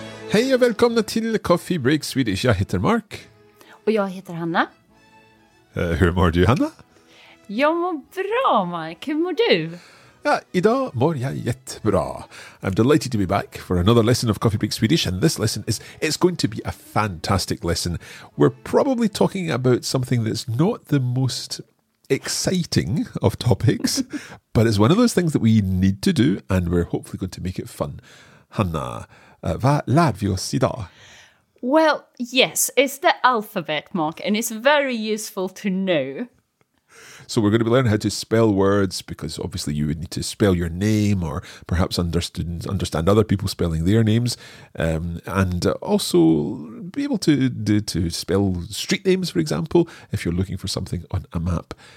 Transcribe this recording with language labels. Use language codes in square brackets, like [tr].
[sv] Hej och välkomna till Coffee Break Swedish. Jag heter Mark. Och jag heter Hanna. Hur mår du, Hanna? Jag mår bra, Mark. Hur mår du? Ja, idag mår jag jättebra. [en] I'm delighted to be back for another lesson of Coffee Break Swedish. And this lesson is, it's going to be a fantastic lesson. We're probably talking about something that's not the most exciting of topics, but it's one of those things that we need to do, and we're hopefully going to make it fun. [sv] Hanna, vad lär vi oss idag? [en] Well, yes, it's the alphabet, Mark, and it's very useful to know. So we're going to be learning how to spell words, because obviously you would need to spell your name or perhaps understand other people spelling their names, and also be able to spell street names, for example, if you're looking for something on a map.